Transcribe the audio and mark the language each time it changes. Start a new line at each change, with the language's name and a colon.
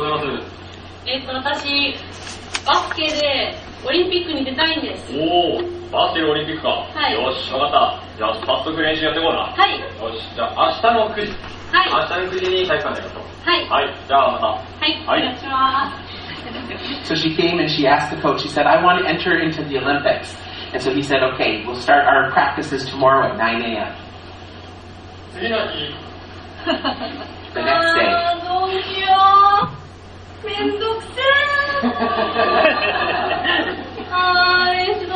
Japanese: おはようございます。私、バスケでオリンピックに出たいんです。おお。バスケオリンピックか、はい、よし、分かった。じゃあ早速練習やってこうな。はい、よし、じゃあ明日の9時、はい、明日の9時に体育館でやると、はい、はい、じゃあまた、はい、はい、お願いします。
English: So she came and she asked the coach, she said, I want to enter into the Olympics. And so he said, okay, we'll start our practices tomorrow at 9 a.m.
Japanese: 次の日
English: The next day.
Japanese: あー、どうしよう、めんどくせー